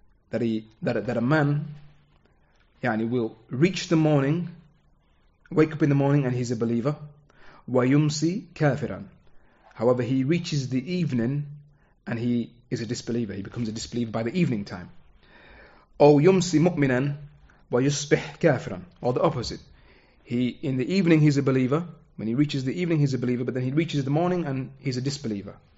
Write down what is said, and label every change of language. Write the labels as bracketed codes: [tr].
[en] That a man will reach the morning, wake up in the morning, and he's a believer. [ar] ويمسي كافرا. [en] However, he reaches the evening and he is a disbeliever. He becomes a disbeliever by the evening time. [ar] أو يمسي مؤمنا ويصبح كافرا. [en] Or the opposite. He, in the evening, he's a believer. When he reaches the evening, he's a believer. But then he reaches the morning and he's a disbeliever.